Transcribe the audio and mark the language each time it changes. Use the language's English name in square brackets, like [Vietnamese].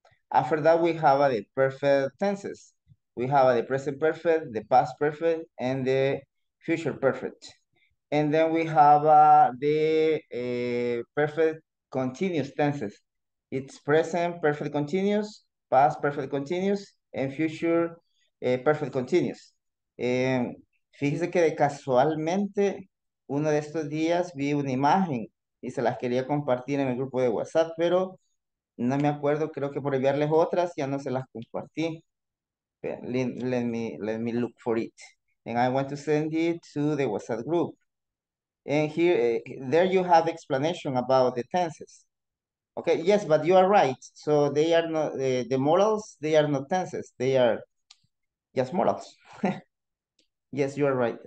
[English] After that we have the perfect tenses. We have the present perfect, the past perfect, and the future perfect. And then we have the perfect continuous tenses. It's present perfect continuous, past perfect continuous, and future perfect continuous. [Spanish] Fíjese que casualmente uno de estos días vi una imagen y se las quería compartir en el grupo de WhatsApp, pero no me acuerdo, creo que por enviarles otras ya no se las compartí. [English] Let me look for it. And I want to send it to the WhatsApp group. And here, there you have explanation about the tenses. Okay, yes, but you are right. So they are not, the modals, they are not tenses. They are just modals. Yes, you are right.